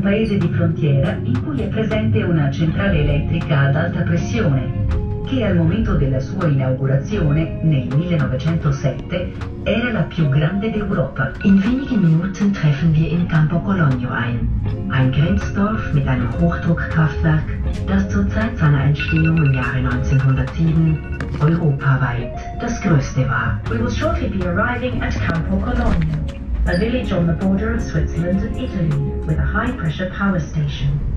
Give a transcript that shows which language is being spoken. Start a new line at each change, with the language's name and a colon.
Italian: In cui è presente una centrale elettrica ad alta pressione, che al momento della sua inaugurazione, nel 1907, era la più grande d'Europa.
German: In wenigen Minuten treffen wir in Campo Cologno ein. Ein Grenzdorf mit einem Hochdruckkraftwerk, das zur Zeit seiner Entstehung im Jahre 1907 europaweit das größte war.
English: We will shortly be arriving at Campo Cologno, a village on the border of Switzerland and Italy, with a high-pressure power station.